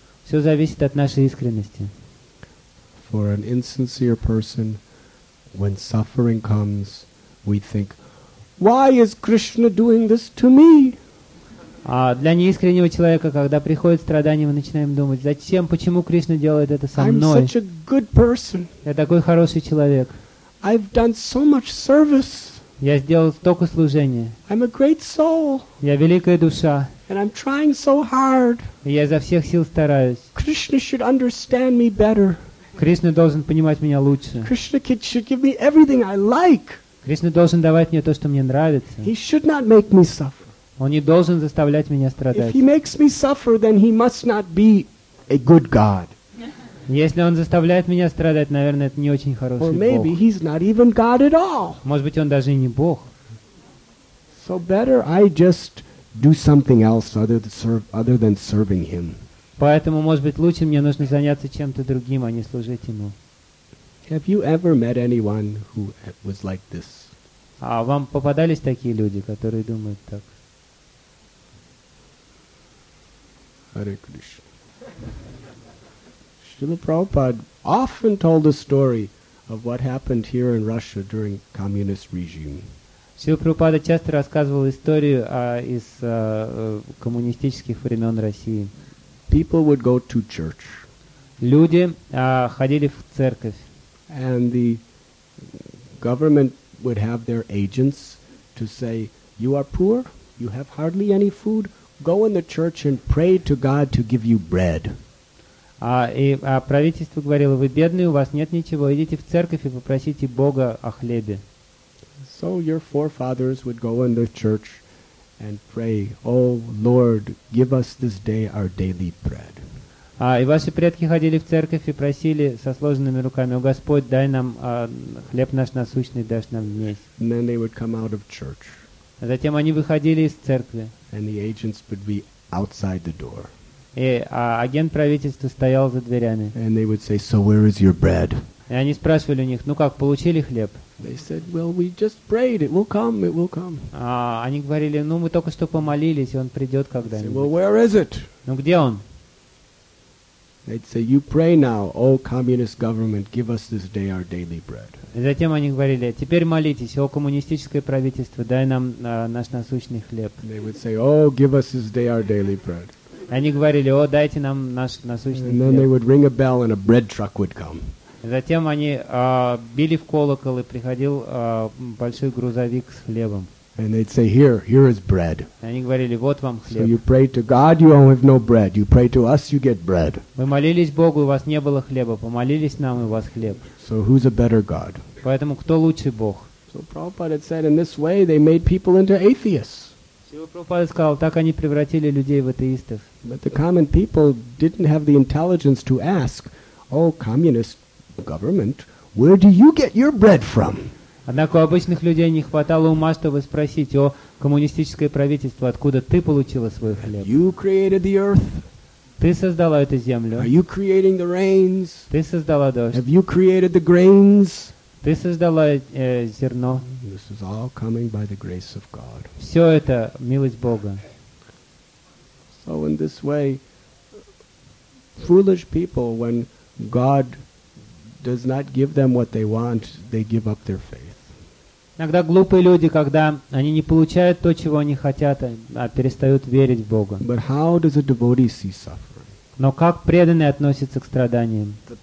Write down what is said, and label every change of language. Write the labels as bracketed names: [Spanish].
[Russian] Все зависит от нашей искренности. [English] For an insincere person, when suffering comes, we think, why is Krishna doing this to me? [Russian] А для неискреннего человека, когда приходит страдание, мы начинаем думать, зачем, почему Кришна делает это со мной? [English] I'm such a good person. [Russian] Я такой хороший человек. [English] I've done so much service. [Russian] Я сделал столько служения. [English] I'm a great soul. [Russian] Я великая душа. [English] And I'm trying so hard. [Russian] И я изо всех сил стараюсь. [English] Krishna should understand me better. [Russian] Кришна должен понимать меня лучше. [English] Krishna should give me everything I like. [Russian] Кришна должен давать мне то, что мне нравится. [English] He should not make me suffer. [Russian] Он не должен заставлять меня страдать. [English] If he makes me suffer, then he must not be a good God. [Russian] Если он заставляет меня страдать, наверное, это не очень хороший Бог. [English] Or maybe he's not even God at all. [Russian] Может быть, он даже и не Бог. [English] So better I just do something else other than serving him. [Russian] Поэтому, может быть, лучше мне нужно заняться чем-то другим, а не служить ему. [English] Have you ever met anyone who was like this? [Russian] А вам попадались такие люди, которые думают так? [English] Hare Krishna. Srila Prabhupada often told a story of what happened here in Russia during communist regime. [Russian] Srila Prabhupada часто рассказывал историю из коммунистических времен России. [English] People would go to church. [Russian] Люди ходили в церковь. [English] And the government would have their agents to say, "You are poor. You have hardly any food. Go in the church and pray to God to give you bread." [Russian] Правительство говорило: "Вы бедные, у вас нет ничего. Идите в церковь и попросите Бога о хлебе." [English] So your forefathers would go in the church and pray, "Oh Lord, give us this day our daily bread." [Russian] И ваши предки ходили в церковь и просили со сложенными руками: "О Господь, дай нам хлеб наш насущный, дашь нам днесь." [English] And then they would come out of church. [Russian] Затем они выходили из церкви. [English] And the agents would be outside the door. [Russian] И агент правительства стоял за дверями. [English] And they would say, "So where is your bread?" [Russian] И они спрашивали у них: "Ну как, получили хлеб?" [English] They said, "Well, we just prayed. It will come. It will come." [Russian] Они говорили: "Ну мы только что помолились, и он придет когда-нибудь." [English] Said, "Well, where is it?" [Russian] Ну где он? [English] They'd say, "You pray now, O communist government, give us this day our daily bread." [Russian] И затем они говорили: "Теперь молитесь, о коммунистическое правительство, дай нам наш насущный хлеб." [English] And they would say, "Oh, give us this day our daily bread." [Russian] И они говорили: "О, дайте нам наш насущный хлеб." [English] And then they would ring a bell, and a bread truck would come. [Russian] Затем они били в колокол, и приходил большой грузовик с хлебом. [English] And they'd say, here is bread. [Russian] И они говорили: "Вот вам хлеб." [English] So you pray to God, you have no bread. You pray to us, you get bread. [Russian] Вы молились Богу, у вас не было хлеба. Помолились нам, и у вас хлеб. [English] So who's a better God? [Russian] Поэтому кто лучший Бог? [English] So Prabhupada said, in this way, they made people into atheists. [Russian] Сила Прабхупада сказал: так они превратили людей в атеистов. [English] But the common people didn't have the intelligence to ask, "Oh, communist government, where do you get your bread from?" [Russian] Однако у обычных людей не хватало ума, чтобы спросить: "О, коммунистическое правительство, откуда ты получила свой хлеб?" [English] You created the earth. [Russian] Ты создала эту землю. [English] Are you creating the rains? [Russian] Ты создала дождь. [English] Have you created the grains? [Russian] Ты создала зерно. [English] This is all coming by the grace of God. [Russian] Все это милость Бога. [English] So in this way, foolish people, when God does not give them what they want, they give up their faith. [Russian] Иногда глупые люди, когда они не получают то, чего они хотят, а перестают верить в Бога. [English] But how does a devotee see suffering? [Russian] Но как преданный относится к страданиям?